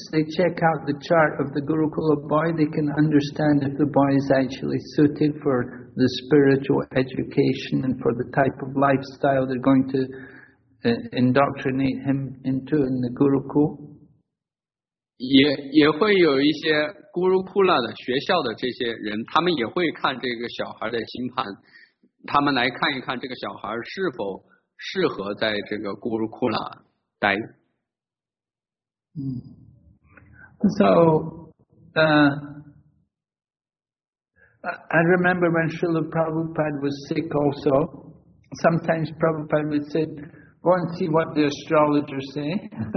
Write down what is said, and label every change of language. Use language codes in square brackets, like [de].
[en] They check out the chart of the Gurukula boy. They can understand if the boy is actually suited for the spiritual education and for the type of lifestyle they're going to indoctrinate him into in the Gurukula. [zh] 也会有一些 Gurukula 的学校的这些人，他们也会看这个小孩的星盘。他们来看一看这个小孩是否适合在这个古鲁库拉待。 [en] So, I remember when Srila Prabhupada was sick also, sometimes Prabhupada would say, go and see what the astrologers say.